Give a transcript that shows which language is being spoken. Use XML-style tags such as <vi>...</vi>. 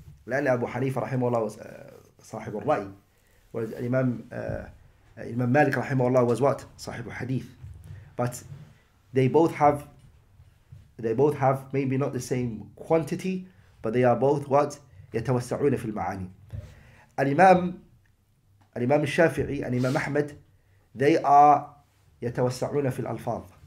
<ar>لأن أبو حنيفة رحمه الله was صاحب الرأي. والإمام Imam Malik رحمه الله was what? صاحب الحديث.</ar> <en>But they both have maybe not the same quantity, but they are both what?</en> <ar>يتوسعون في المعاني.</ar> <en>الإمام الشافعي and Imam Ahmed, they are</en> <ar>يتوسعون في الألفاظ.</ar>